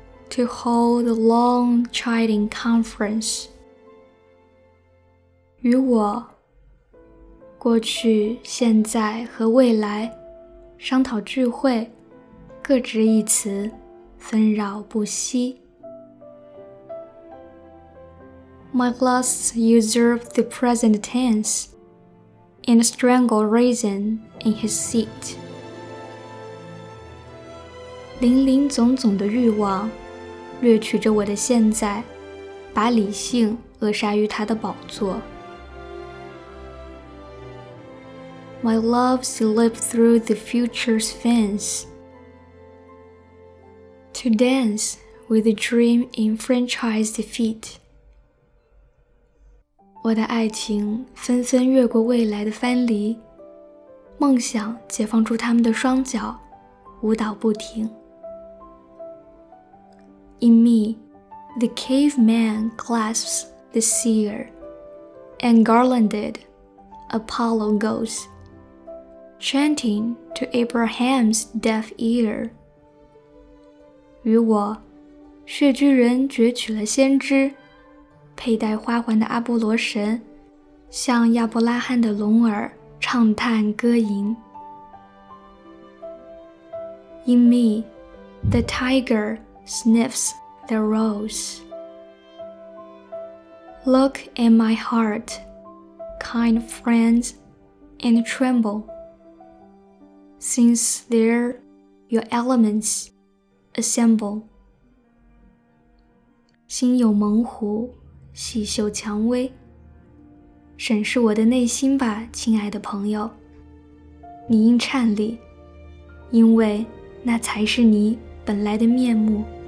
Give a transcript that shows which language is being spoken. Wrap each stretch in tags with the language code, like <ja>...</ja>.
<en>To hold a long chiding conference.</en> <zh>与我，过去、现在和未来，商讨聚会，各执一词，纷扰不息。</zh> <en>My lusts usurp the present tense, and strangle reason in his seat.</en> <zh>零零总总的欲望掠取着我的现在，把理性扼杀于他的宝座。</zh> <en>My love slipped through the future's fence, to dance with a dream enfranchised feet.</en> <zh>我的爱情纷纷越过未来的藩篱，梦想解放出他们的双脚，舞蹈不停。</zh> <en>In me, the caveman clasps the seer, and garlanded Apollo goes, chanting to Abraham's deaf ear.</en> <zh>与我，血巨人攫取了先知。佩戴花环的阿波罗神向亚伯拉罕的聋耳唱叹歌吟。</zh> <en>In me, the tiger sniffs the rose. Look at my heart, kind friends, and tremble, since there your elements assemble.</en> <zh>心有猛虎细嗅蔷薇，审视我的内心吧，亲爱的朋友，你应颤栗，因为那才是你本来的面目。</zh>